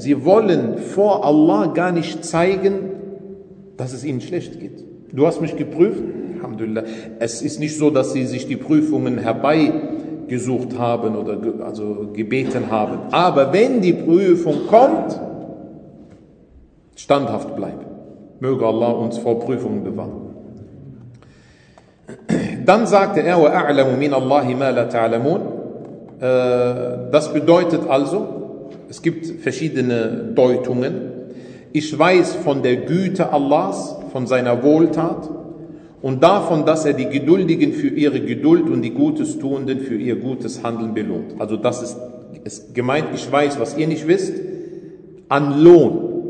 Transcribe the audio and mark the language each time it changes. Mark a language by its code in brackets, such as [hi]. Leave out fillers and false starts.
[de] Sie wollen vor Allah gar nicht zeigen, dass es ihnen schlecht geht. Du hast mich geprüft? Alhamdulillah. Es ist nicht so, dass sie sich die Prüfungen herbeigesucht haben oder also gebeten haben. Aber wenn die Prüfung kommt, standhaft bleiben. Möge Allah uns vor Prüfungen bewahren. Dann sagte er, [ar] وَأَعْلَمُ مِنَ اللَّهِ مَا لَا تَعْلَمُونَ. [de] Das bedeutet also, es gibt verschiedene Deutungen. Ich weiß von der Güte Allahs, von seiner Wohltat und davon, dass er die Geduldigen für ihre Geduld und die Gutestuenden für ihr gutes Handeln belohnt. Also das ist gemeint, ich weiß, was ihr nicht wisst, an Lohn.